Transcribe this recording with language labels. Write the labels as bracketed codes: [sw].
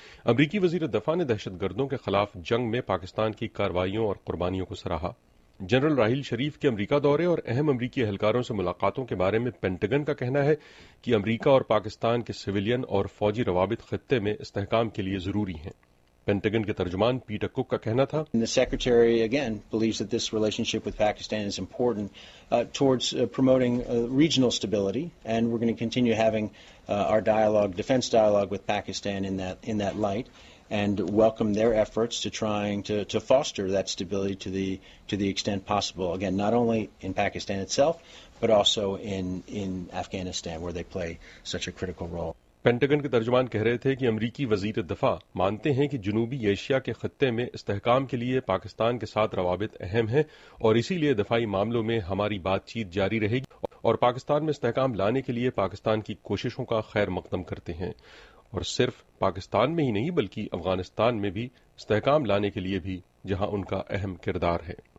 [ur] امریکی وزیر دفاع نے دہشت گردوں کے خلاف جنگ میں پاکستان کی کاروائیوں اور قربانیوں کو سراہا. جنرل راحیل شریف کے امریکہ دورے اور اہم امریکی اہلکاروں سے ملاقاتوں کے بارے میں پینٹگن کا کہنا ہے کہ امریکہ اور پاکستان کے سویلین اور فوجی روابط خطے میں استحکام کے لیے ضروری ہیں. پینٹگن کے ترجمان پیٹر کک کا کہنا تھا, [en] The Secretary again believes that this relationship with Pakistan is important towards promoting regional stability and we're going to continue having our dialogue, defense dialogue with Pakistan in that light. And welcome their efforts to trying to foster that stability to the extent possible. Again, not only in Pakistan itself, but also in Afghanistan, where they play such a critical role. [ur] پینٹگن کے ترجمان کہہ رہے تھے کہ امریکی وزیر دفاع مانتے ہیں کہ جنوبی ایشیا کے خطے میں استحکام کے لیے پاکستان کے ساتھ روابط اہم ہیں اور اسی لیے دفاعی معاملوں میں ہماری بات چیت جاری رہے گی اور پاکستان میں استحکام لانے کے لیے پاکستان کی کوششوں کا خیر مقدم کرتے ہیں, اور صرف پاکستان میں ہی نہیں بلکہ افغانستان میں بھی استحکام لانے کے لیے بھی, جہاں ان کا اہم کردار ہے.